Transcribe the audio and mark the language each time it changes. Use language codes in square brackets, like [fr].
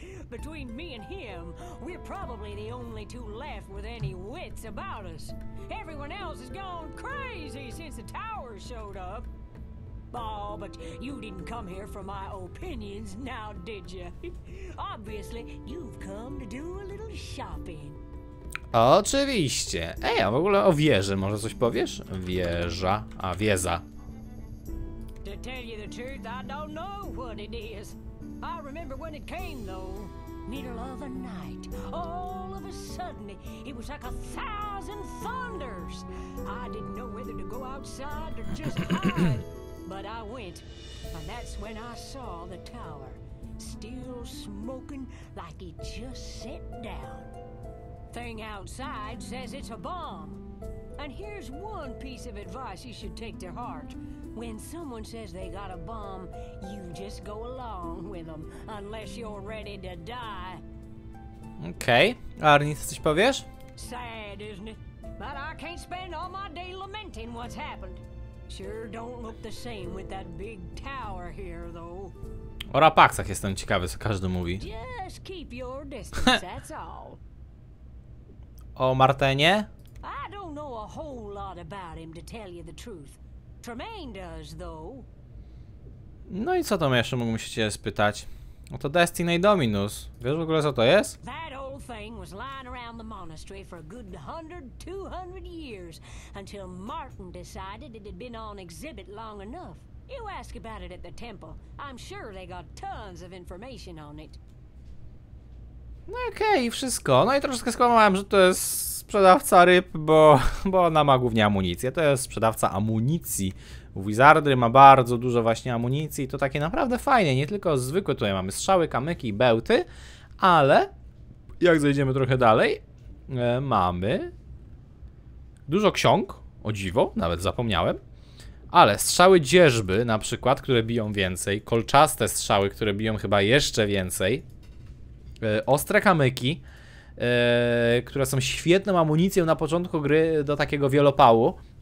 [en] Between me and him, we're probably the only two left with any wits about us. Everyone else has gone crazy since the tower showed up. Oh, but you didn't come here for my opinions now, did you? Obviously, you've come to do a little shopping. [pl] Oczywiście. Ej, a w ogóle o wieży może coś powiesz? Wieża, a wieza. [en] To tell you the truth, I don't know what it is. I remember when it came, though. Middle of the night, all of a sudden, it was like a thousand thunders. I didn't know whether to go outside or just hide. But I went, and that's when I saw the tower, still smoking like it just set down. Thing outside says it's a bomb. And here's one piece of advice you should take to heart. When someone says they got a bomb, you just go along with them, unless you're ready to die. [pl] Okay, Arnie, coś powiesz? [en] Sad, isn't it? But I can't spend all my day lamenting what's happened. Sure don't look the same with that big tower here, though. [pl] O rapaksach jestem ciekawy, co każdy mówi. [en] Just keep your distance, that's all. [pl] O Martenie? [en] I don't know a whole lot about him, to tell you the truth. Tremaine does, though. [pl] No i co tam jeszcze mógłbym się ciebie spytać? O to Destiny Dominus. Wiesz w ogóle, co to jest? [en] That old thing was lying around the monastery for a good 100-200 years until Martin decided it had been on exhibit long enough. You ask about it at the temple. I'm sure they got tons of information on it. [pl] No okej, okay, wszystko. No i troszkę skłamałem, że to jest sprzedawca ryb, bo ona ma głównie amunicję. To jest sprzedawca amunicji. Wizardry ma bardzo dużo właśnie amunicji, to takie naprawdę fajne, nie tylko zwykłe, tutaj mamy strzały, kamyki i bełty, ale jak zejdziemy trochę dalej, mamy dużo ksiąg, o dziwo, nawet zapomniałem, ale strzały dzierżby na przykład, które biją więcej, kolczaste strzały, które biją chyba jeszcze więcej, ostre kamyki, które są świetną amunicją na początku gry do takiego wielopału.